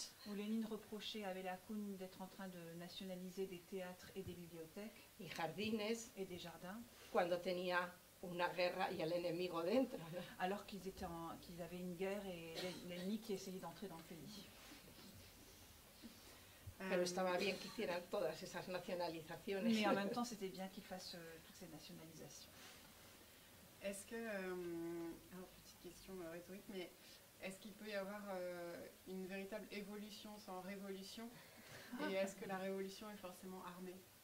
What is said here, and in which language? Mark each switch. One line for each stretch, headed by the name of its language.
French: Où Lénine reprochait à Belakun d'être en train de nationaliser des théâtres et des bibliothèques
Spanish: y jardines,
French: et des jardins
Spanish: cuando tenía una guerra y el enemigo dentro.
French: Alors qu'ils avaient une guerre et l'ennemi qui essayait d'entrer dans le pays.
Spanish: Pero estaba bien que hicieran todas esas nacionalizaciones.
French: Mais en même temps, c'était bien qu'ils fassent toutes ces nationalisations. Est-ce que... petite question rhétorique, mais... Est-ce qu'il peut y avoir une véritable évolution sans révolution? Et est-ce que la révolution est forcément armée?